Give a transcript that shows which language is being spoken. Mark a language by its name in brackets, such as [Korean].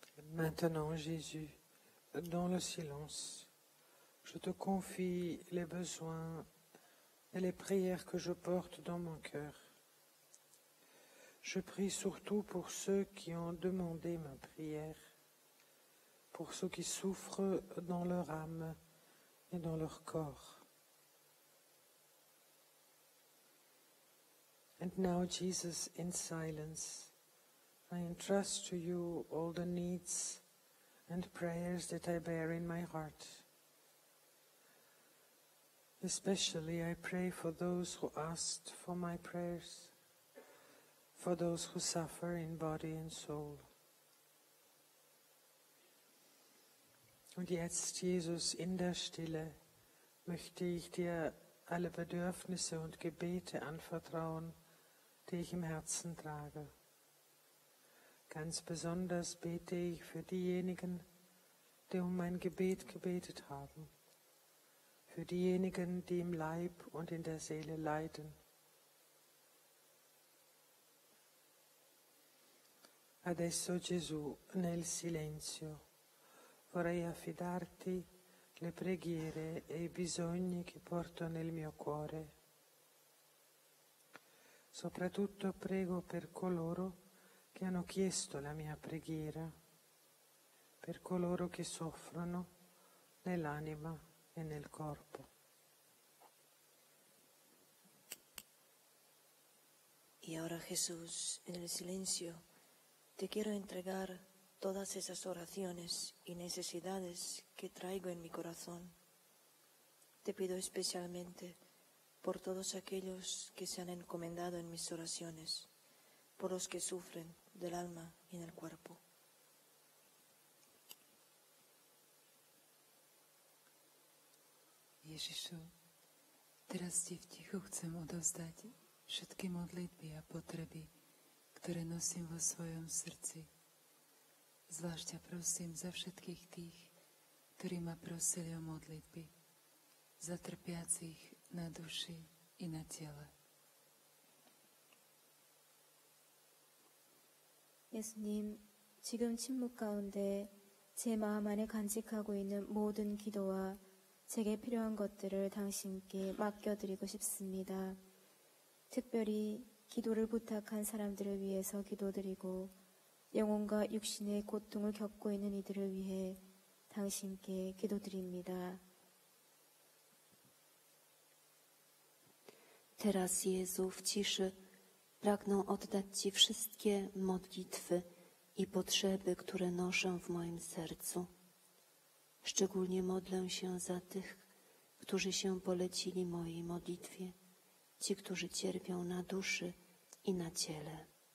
[French] Maintenant, Jésus, dans le silence, je te confie les besoins et les prières que je porte dans mon cœur. Je prie surtout pour ceux qui ont demandé ma prière, pour ceux qui souffrent dans leur âme et dans leur corps. [English] And now, Jesus, in silence, I entrust to you all the needs and prayers that I bear in my heart. Especially I pray for those who asked for my prayers, for those who suffer in body and soul. [German] Und jetzt, Jesus, in der Stille, möchte ich dir alle Bedürfnisse und Gebete anvertrauen, die ich im Herzen trage. Ganz besonders bete ich für diejenigen, die um mein Gebet gebetet haben, für diejenigen, die im Leib und in der Seele leiden. [Italian] Adesso, Gesù, nel silenzio, vorrei affidarti le preghiere e i bisogni che porto nel mio cuore. Soprattutto prego per coloro che hanno chiesto la mia preghiera, per coloro che soffrono nell'anima e nel corpo. [Spanish] Y ahora, Jesús, en el silencio, te quiero entregar todas esas oraciones y necesidades que traigo en mi corazón. Te pido especialmente por todos aquellos que se han encomendado en mis oraciones, por los que sufren del alma y del cuerpo. [Slovak] Ježišu, teraz ti v tichu chcem odovzdať všetky modlitby a potreby, ktoré nosím vo svojom srdci. Zvlášť ťa prosím za všetkých tých, ktorí ma prosili o modlitby, za trpiacich na duši i na tele. [Korean] Yesunim, 지금 침묵 가운데 제 마음 안에 간직하고 있는 모든 기도와 제게 필요한 것들을 당신께 맡겨드리고 싶습니다. 특별히 기도를 부탁한 사람들을 위해서 기도드리고 영혼과 육신의 고통을 겪고 있는 이들을 위해 당신께 기도드립니다. [Polish] Teraz Jezu w ciszy pragnę oddać Ci wszystkie modlitwy i potrzeby, które noszę w moim sercu. Szczególnie modlę się za tych, którzy się polecili mojej modlitwie, ci, którzy cierpią na duszy i na ciele.